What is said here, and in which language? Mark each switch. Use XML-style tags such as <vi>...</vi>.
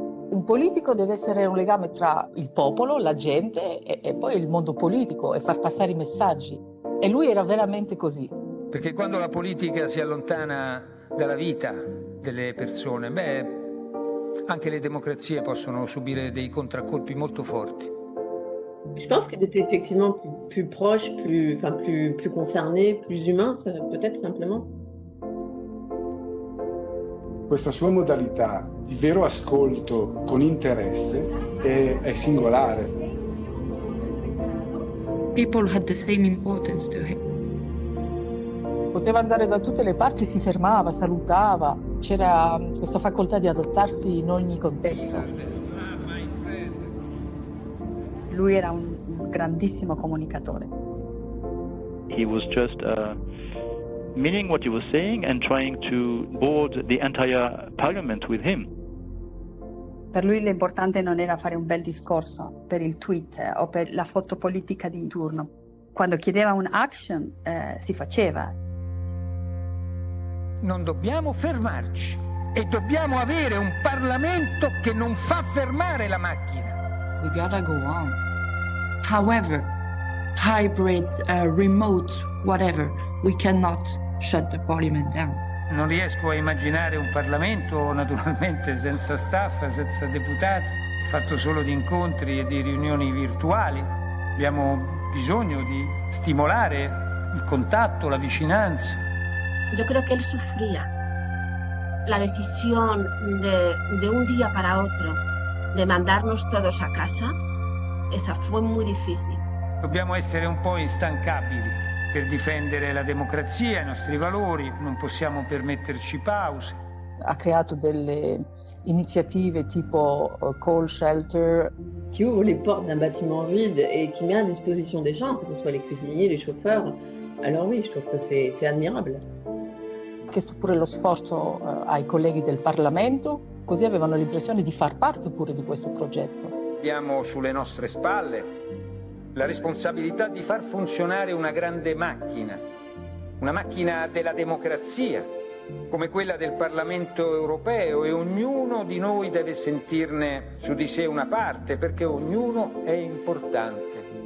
<it>Un politico deve essere un legame tra il popolo, la gente e poi il mondo politico e far passare i messaggi. E lui era veramente così. Perché quando la politica si allontana dalla vita delle persone, beh, anche le democrazie possono subire dei contraccolpi molto forti.</it> <fr>Je pense qu'il était effectivement plus proche, plus concerné, plus humain, peut-être simplement.</fr> <it>Questa sua modalità di vero ascolto con interesse è singolare.</it> <en>People had the same importance to him.</en> <it>Poteva andare da tutte le parti, si fermava, salutava. C'era questa facoltà di adattarsi in ogni contesto. Lui era un grandissimo comunicatore.</it> <en>He was just meaning what he was saying and trying to board the entire parliament with him.</en> <it>Per lui l'importante non era fare un bel discorso per il tweet o per la foto politica di turno. Quando chiedeva un action, si faceva. Non dobbiamo fermarci e dobbiamo avere un Parlamento che non fa fermare la macchina.</it> <en>We gotta go on. However, hybrid, remote, whatever, we cannot shut the Parliament down.</en> <it>Non riesco a immaginare un Parlamento, naturalmente, senza staff, senza deputati, fatto solo di incontri e di riunioni virtuali. Abbiamo bisogno di stimolare il contatto, la vicinanza.</it> <es>Yo creo que él sufría la decisión de un día para otro de mandarnos todos a casa. Esa fue muy difícil.</es> <it>Dobbiamo essere un po' instancabili per difendere la democrazia, i nostri valori. Non possiamo permetterci pause. Ha creato delle iniziative tipo call shelter.</it> <fr>Qui ouvre les portes d'un bâtiment vide et qui met à disposition des gens, que ce soit les cuisiniers, les chauffeurs. Alors oui, je trouve que c'est admirable.</fr> <it>Ha chiesto pure lo sforzo ai colleghi del Parlamento, così avevano l'impressione di far parte pure di questo progetto. Abbiamo sulle nostre spalle la responsabilità di far funzionare una grande macchina, una macchina della democrazia, come quella del Parlamento europeo, e ognuno di noi deve sentirne su di sé una parte, perché ognuno è importante.</it>